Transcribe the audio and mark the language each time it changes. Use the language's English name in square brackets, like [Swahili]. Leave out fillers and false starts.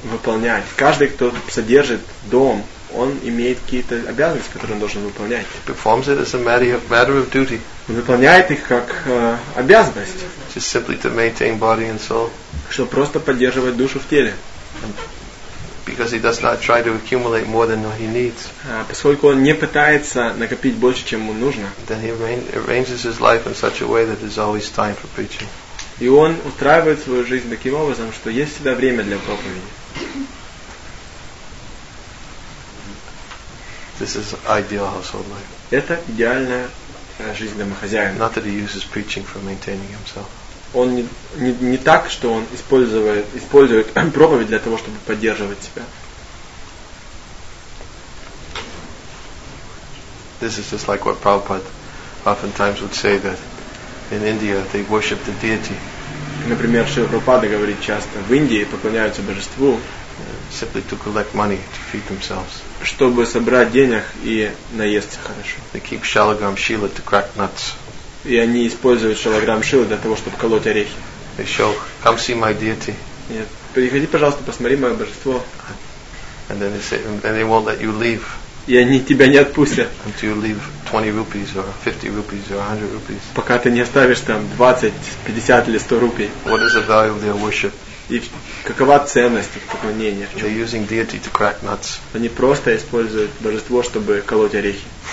[Russian] Выполнять. Каждый, кто содержит дом, он имеет какие-то обязанности, которые он должен выполнять. [English] Performs it as a matter of duty. [Russian] Он выполняет их как обязанность. [English] Just simply to maintain body and soul. [Russian] Чтобы просто поддерживать душу в теле. [English] Because he does not try to accumulate more than he needs. [Russian] Поскольку он не пытается накопить больше, чем ему нужно. [English] Then he arranges his life in such a way that there's always time for preaching. [Russian] И он устраивает свою жизнь таким образом, что есть всегда время для проповеди. [English] This is ideal household life. [Russian] Это идеальная жизнь домохозяина. [English] Not that he uses preaching for maintaining himself. [Russian] Он не так, что он использует проповедь для того, чтобы поддерживать себя. [English] This is just like what Prabhupada oftentimes would say, that in India they worship the deity. [Russian] Например, Шрила Прабхупада говорит часто, в Индии поклоняются божеству. [English] Simply to collect money to feed themselves. [Russian] Чтобы собрать денег и наесться хорошо. [English] They keep Shalagram Shila to crack nuts. [Russian] И они используют Shalagram Shila для того, чтобы колоть орехи. [English] They show, come see my deity. [Russian] Нет, приходи, пожалуйста, посмотри мое божество. [English] And then they say, and they won't let you leave. [Russian] И они тебя не отпустят. [English] Until you leave 20 rupees or 50 rupees or 100 rupees. [Russian] Пока ты не оставишь там 20, 50 или 100 рупий. [English] What is the value of their worship? [Russian] И какова ценность их поклонения? [English] They're using deity to crack nuts. [Russian] Они просто используют божество, чтобы колоть орехи.